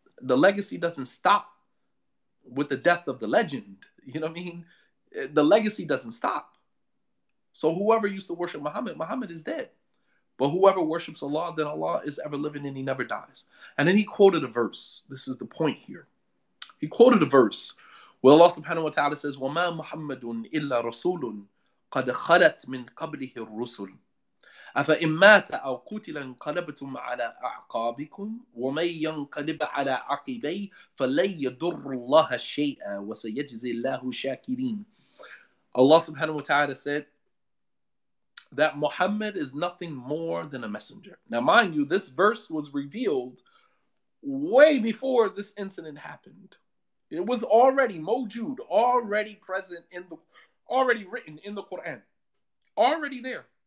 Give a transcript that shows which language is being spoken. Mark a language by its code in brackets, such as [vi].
[en] The legacy doesn't stop with the death of the legend. You know what I mean? The legacy doesn't stop. So whoever used to worship Muhammad, Muhammad is dead. But whoever worships Allah, then Allah is ever living and he never dies. And then he quoted a verse. This is the point here. He quoted a verse where Allah subhanahu wa ta'ala says, [ar] وَمَا مُحَمَّدٌ إِلَّا رَسُولٌ قَدْ خَلَتْ مِنْ قَبْلِهِ الرُّسُلٌ أَفَإِنْ مَاتَ أَوْ قُتِلَ انْقَلَبْتُمْ عَلَىٰ أَعْقَابِكُمْ وَمَنْ يَنْقَلِبْ عَلَىٰ عَقِبَيْهِ فَلَنْ يَضُرُّ اللَّهَ شَيْئًا وَسَيَجْزِي اللَّهُ شَاكِرِينَ. [en] Allah subhanahu wa ta'ala said that Muhammad is nothing more than a messenger. Now, mind you, this verse was revealed way before this incident happened. It was already mawjood, already present in the, already written in the Quran, already there.